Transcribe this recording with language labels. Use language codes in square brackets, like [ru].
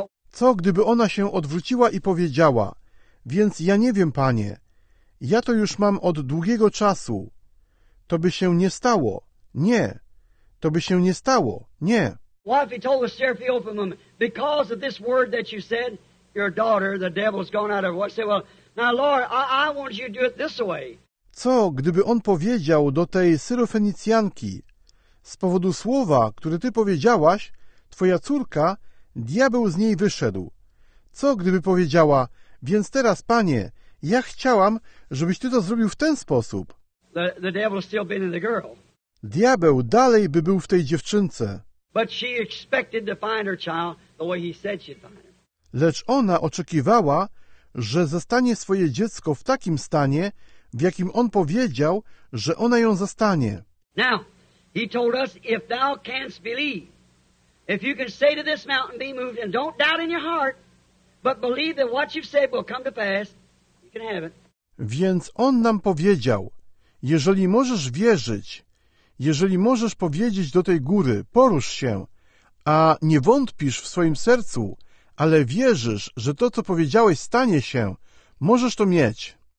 [pl] Co gdyby ona się odwróciła i powiedziała, więc ja nie wiem, Panie, ja to już mam od długiego czasu. To by się nie stało. Nie. To by się nie stało. Nie. [en] What if he told the Seraphim woman, because of this word that you said, your daughter, the devil's gone out of her. Say, well, now, Lord, I want you to do it this way. [pl] Co, gdyby on powiedział do tej Syrofenicjanki, z powodu słowa, które ty powiedziałaś, twoja córka, diabeł z niej wyszedł. Co, gdyby powiedziała, więc teraz, Panie, ja chciałam, żebyś ty to zrobił w ten sposób. [en] The devil's still been in the girl. [pl] Diabeł dalej by był w tej dziewczynce. [en] But she expected to find her child the way he said she'd find her. [pl] Lecz ona oczekiwała, że zastanie swoje dziecko w takim stanie, w jakim on powiedział, że ona ją zastanie. [en] Now, he told us, if thou canst believe, if you can say to this mountain, be moved, and don't doubt in your heart, but believe that what you've said will come to pass, you can have it. [pl] Więc on nam powiedział, jeżeli możesz wierzyć, jeżeli możesz powiedzieć do tej góry, porusz się, a nie wątpisz w swoim sercu, ale wierzysz, że to, co powiedziałeś, stanie się, możesz to mieć.